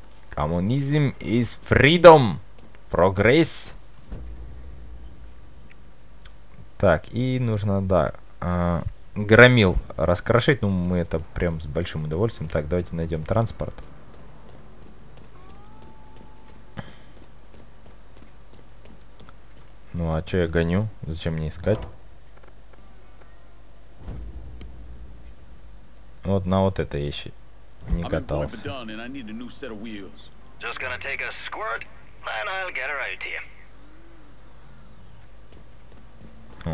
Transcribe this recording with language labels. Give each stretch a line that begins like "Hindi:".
English: Коммунизм is freedom.
Russian: Прогресс. Так, и нужно, да, громил раскрошить. Ну, мы это прям с большим удовольствием. Так, давайте найдем транспорт. Ну, а чё я гоню? Зачем мне искать? Вот на вот это ещё не катался.
English: Just gonna take a squirt, then I'll get her out here.